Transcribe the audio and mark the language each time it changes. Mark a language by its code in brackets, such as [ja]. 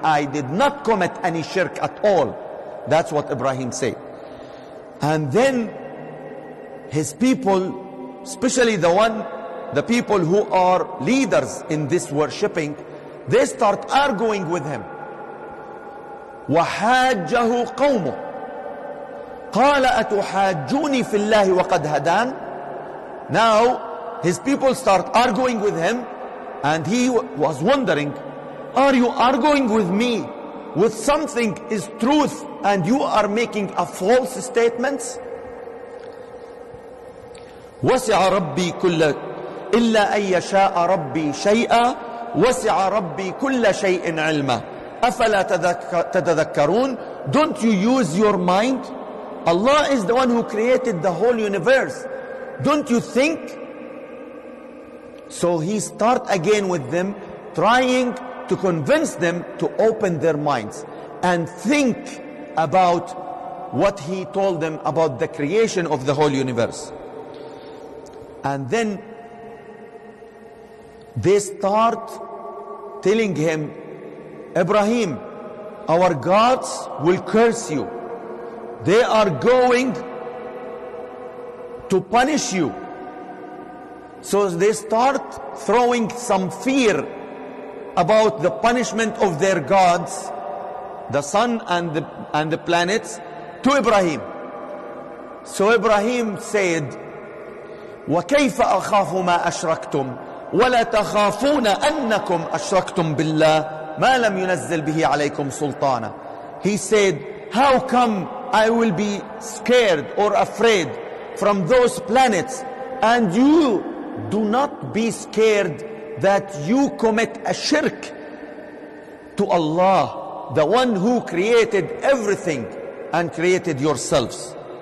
[en] I did not commit any shirk at all. That's what Ibrahim said. And then his people, especially the people who are leaders in this worshipping, they start arguing with him. [ar] وحاجه قومه قال أتحاجوني في الله وقد هدان. [en] Now his people start arguing with him, and he was wondering, are you arguing with me with something is truth and you are making a false statement? [ar] وسع ربي كل إلا أن يشاء ربي شيئا وسع ربي كل شيء علما أفلا تتذكرون. [en] Don't you use your mind? Allah is the one who created the whole universe. Don't you think? So he start again with them, trying to convince them to open their minds and think about what he told them about the creation of the whole universe. And then they start telling him, Ibrahim, our gods will curse you. They are going to punish you. So they start throwing some fear about the punishment of their gods, the sun and the planets, to Ibrahim. So Ibrahim said, [ar] وَكَيْفَ أَخَافُ مَا أَشْرَكْتُمْ وَلَا تَخَافُونَ أَنَّكُمْ أَشْرَكْتُمْ بِاللَّهِ مَا لَمْ يُنَزِّلْ بِهِ عَلَيْكُمْ سُلْطَانًا. [en] He said, how come I will be scared or afraid from those planets, and you do not be scared that you commit a shirk to Allah, the one who created everything and created yourselves.